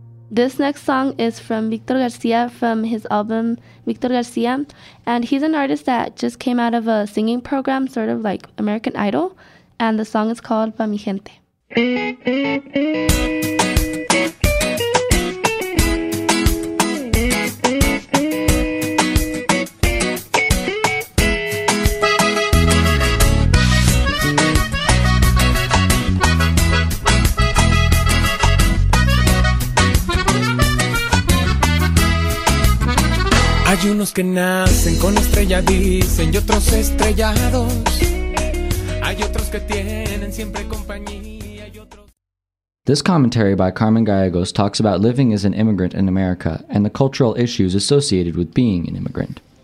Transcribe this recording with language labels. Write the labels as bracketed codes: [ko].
[en] This next song is from Victor Garcia from his album Victor Garcia, and he's an artist that just came out of a singing program, sort of like American Idol, and the song is called Pa Mi Gente. [es] Hay unos que nacen con estrella, dicen, y otros estrellados. Hay otros que tienen siempre compañía y otros. [en] This commentary by Carmen Gallegos talks about living as an immigrant in America and the cultural issues associated with being an immigrant.